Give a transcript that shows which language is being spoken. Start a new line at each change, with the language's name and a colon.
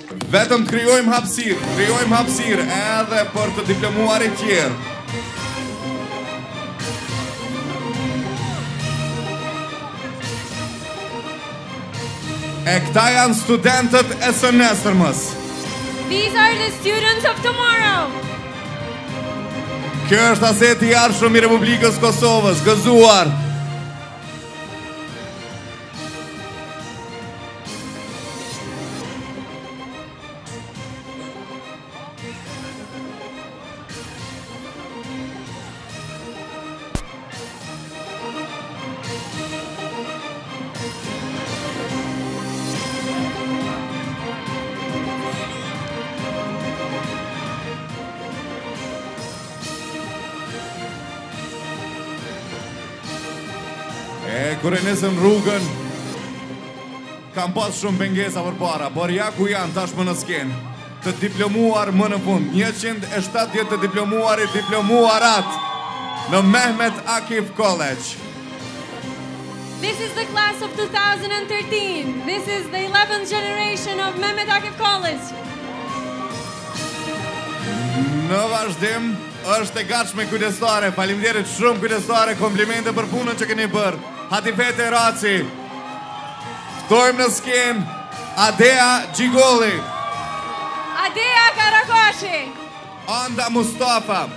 Albanian: Vetëm krijojmë hapësirë, krijojmë hapësirë edhe për të diplomuar e tjerë. E këta janë studentët e së nesërmës.
English: These are the students of tomorrow.
Albanian: Kjo është aseti i arshëm i Republikës Kosovës, gëzuar.
English: Thank you.
Albanian: kur e nisën rrugën kam pas shumë pengesa për para, por ja ku janë tashmë në skenë, të diplomuar më në fund, 170 të diplomuar i diplomuarat në Mehmet Akif College.
English: This is the class of 2013. This is the 11th generation of Mehmet Akif College.
Albanian: Në vazhdim, është e gatshme kujdestare. Faleminderit shumë kujdestare. Komplimente për punën që keni bërë. Hatifete Raci. Ftojmë në skenë Adea Gjigolli. Adea Karakoshi. Anda Mustafa.